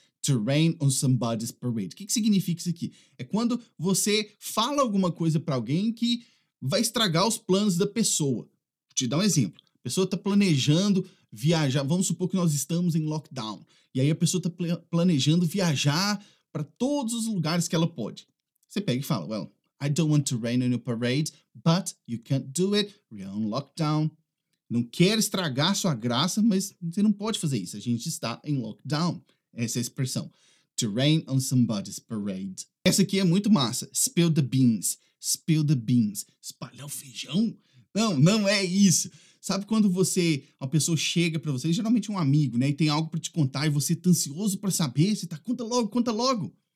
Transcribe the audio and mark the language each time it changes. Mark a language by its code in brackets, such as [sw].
[en] To rain on somebody's parade. [pt] O que significa isso aqui? É quando você fala alguma coisa para alguém que vai estragar os planos da pessoa. Vou te dar um exemplo. A pessoa está planejando viajar, vamos supor que nós estamos em lockdown. E aí a pessoa está planejando viajar para todos os lugares que ela pode. Você pega e fala, [en] well, I don't want to rain on your parade, but you can't do it, we're on lockdown. [pt] Não quero estragar sua graça, mas você não pode fazer isso, a gente está em lockdown. Essa é a expressão, to rain on somebody's parade. Essa aqui é muito massa, [en] spill the beans, spill the beans. [pt] Espalhar o feijão? Não, não é isso. Sabe quando você, uma pessoa chega para você, geralmente um amigo, né? E tem algo para te contar e você tá ansioso para saber, você tá, conta logo.